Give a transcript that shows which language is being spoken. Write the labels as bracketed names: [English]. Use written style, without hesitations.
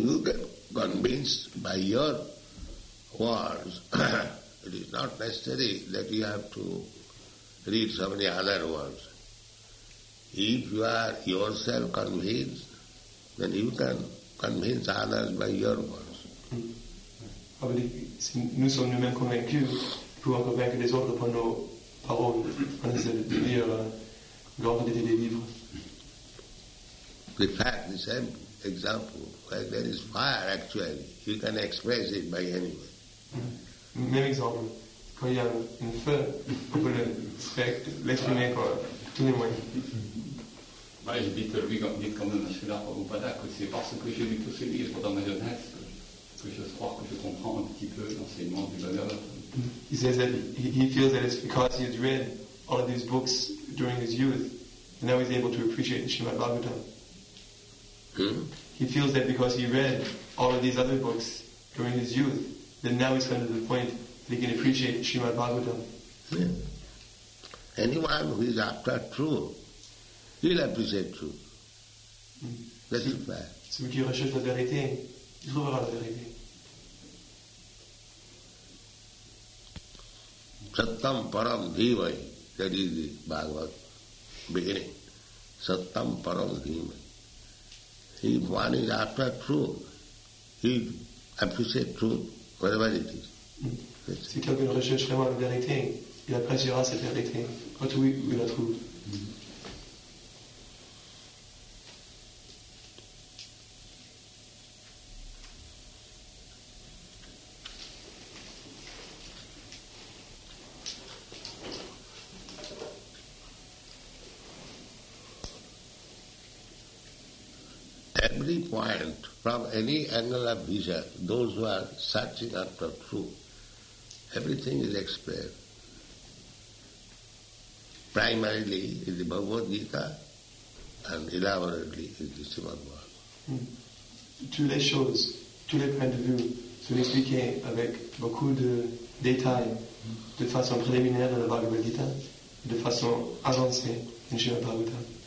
[English] You get convinced by your words. It is not necessary that you have to read so many other words. If you are yourself convinced, then you can convince others by your words. [French] Si nous sommes nous-mêmes convaincus, nous pouvons convaincre les autres par nos paroles, par les livres, des livres. [English] The fact, the same example, where there is fire actually, you can express it by any way. [French] Même exemple, quand il y a un feu, vous pouvez l'exprimer par tous les moyens. Bah, je dis quand même à celui-là, Prabhupada, que c'est parce que j'ai lu tous ces livres dans ma jeunesse que je crois que je comprends un petit peu l'enseignement du Bhagavatam. [English] He says that he feels that it's because he has read all of these books during his youth, and now he's able to appreciate the Srimad Bhagavatam. He feels that because he read all of these other books during his youth, then now he's come to the point that he can appreciate Srimad Bhagavatam. Yeah. Anyone who is after truth, he'll appreciate truth. That's the fact. [French] Celui qui recherche la vérité, il trouvera la vérité. [Sanskrit] Sattam param dhīmai, [English] that is the Bhagavad beginning. [Sanskrit] Sattam param dhīmai. [English] If one is after truth, he appreciates truth wherever it is. [French] Si quelqu'un recherche vraiment la vérité, il appréciera cette vérité, quand où il la trouve. [English] Every point, from any angle of vision, those who are searching after truth, everything is explained. Primarily in the Bhagavad Gita and elaborately in the Srimad Bhagavatam. [French] Toutes les choses, tous les points de vue sont expliqués avec beaucoup de détails de façon préliminaire dans la Bhagavad Gita, de façon avancée dans le Srimad Bhagavatam.